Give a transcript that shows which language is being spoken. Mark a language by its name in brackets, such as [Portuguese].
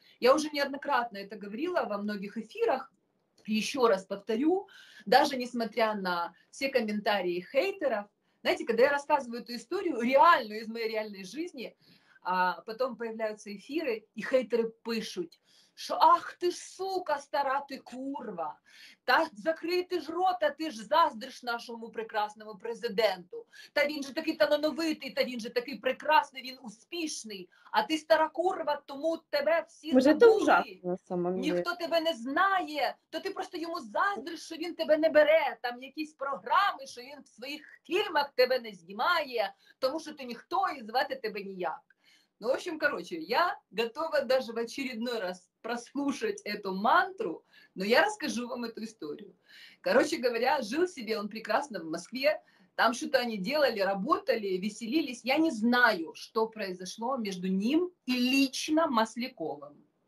[Russian] Я уже неоднократно это говорила во многих эфирах, еще раз повторю, даже несмотря на все комментарии хейтеров. Знаете, когда я рассказываю эту историю, реальную, из моей реальной жизни, потом появляются эфиры, и хейтеры пишут, что «Ах ты ж, сука, стара ты курва! [Ukrainian] Та закрий ти ж рота, ти ж заздриш нашому прекрасному президенту! Та він же такий талановитий, та він же такий прекрасний, він успішний! А ти стара курва, тому тебе всі забули! Це [Russian] ужасно, на самом деле. [Ukrainian] Ніхто тебе не знає, то ти просто йому заздриш, що він тебе не бере, там якісь програми, що він в своїх фільмах тебе не знімає, тому що ти ніхто і звати тебе ніяк». [Russian] Ну, в общем, короче, я готова даже в очередной раз прослушать эту мантру, но я расскажу вам эту историю. Короче говоря, жил себе он прекрасно в Москве, там что-то они делали, работали, веселились. Я не знаю, что произошло между ним и лично Масляковым.